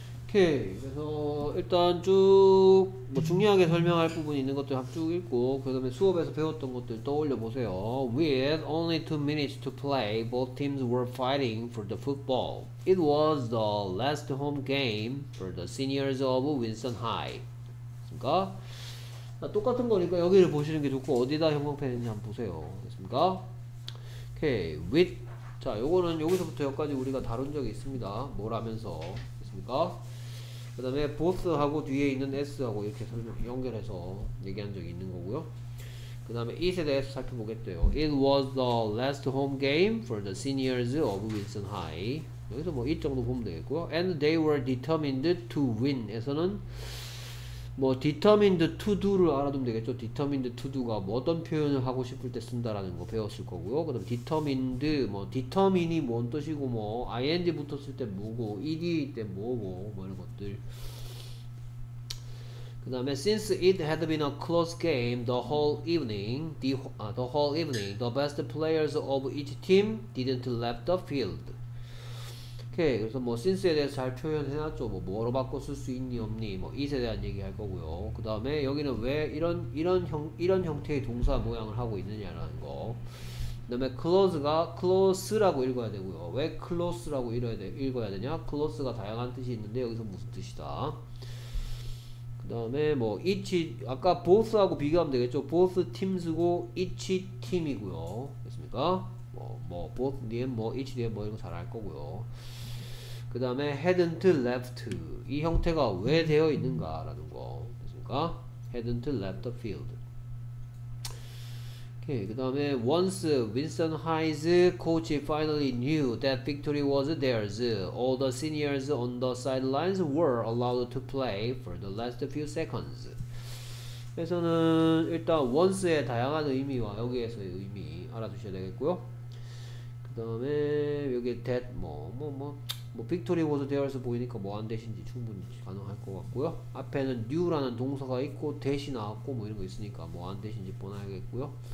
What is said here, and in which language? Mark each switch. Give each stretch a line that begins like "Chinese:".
Korean: 그래서 일단 쭉 뭐 중요하게 설명할 부분이 있는 것들 쭉 읽고 그 다음에 수업에서 배웠던 것들 떠올려 보세요.
English: With only 2 minutes to play, both teams were fighting for the football. It was the last home game for the seniors of Winston High.
Korean: 됐습니까? 자, 똑같은 거니까 여기를 보시는 게 좋고 어디다 형광펜인지 한번 보세요. 됐습니까? Okay, with 자 요거는 여기서부터 여기까지 우리가 다룬 적이 있습니다. 뭐라면서 됐습니까? 그 다음에 both하고 뒤에 있는 s하고 이렇게 설명 연결해서 얘기한 적이 있는 거고요. 그 다음에 it에 대해서 살펴보겠대요.
English: It was the last home game for the seniors of Winston High.
Korean: 여기서 뭐 it 정도 보면 되겠고요.
English: And they were determined to win
Korean: 에서는 뭐 determined to do를 알아두면 되겠죠. determined to do가 뭐 어떤 표현을 하고 싶을 때 쓴다라는 거 배웠을 거고요. 그 다음에 determined 뭐 determine이 뭔 뜻이고 뭐 ing 붙었을 때 뭐고 ed 때 뭐고 뭐 이런 것들. 그 다음에
English: since it had been a close game the whole evening the best players of each team didn't left the field.
Korean: 오케이 okay, 그래서 뭐 since에 대해서 잘 표현해놨죠. 뭐 뭐로 바꿔 쓸 수 있니 없니 뭐 it에 대한 얘기 할 거고요. 그 다음에 여기는 왜 이런 형태의 동사 모양을 하고 있느냐라는 거. 그 다음에 close가 close라고 읽어야 되고요. 왜 close라고 읽어야 되냐. close가 다양한 뜻이 있는데 여기서 무슨 뜻이다. 그 다음에 뭐 each 아까 both하고 비교하면 되겠죠. both teams고 each team이고요. 됐습니까? 뭐 both 뒤에 뭐 each 뒤에 뭐 이런 거 잘 알 거고요. 그 다음에 hadn't left 이 형태가 왜 되어 있는가 라는 거 됐습니까?
English: hadn't left the field.
Korean: 오케이 그 다음에
English: once Winston High's coach finally knew that victory was theirs, all the seniors on the sidelines were allowed to play for the last few seconds.
Korean: 그래서는 일단 once의 다양한 의미와 여기에서의 의미 알아두셔야 되겠고요. 그 다음에 여기 that 뭐 victory was theirs 보이니까 뭐 안 되신지 충분히 가능할 것 같고요. 앞에는 new라는 동사가 있고 that이 나왔고 뭐 이런 거 있으니까 뭐 안 되신지 보나야겠고요.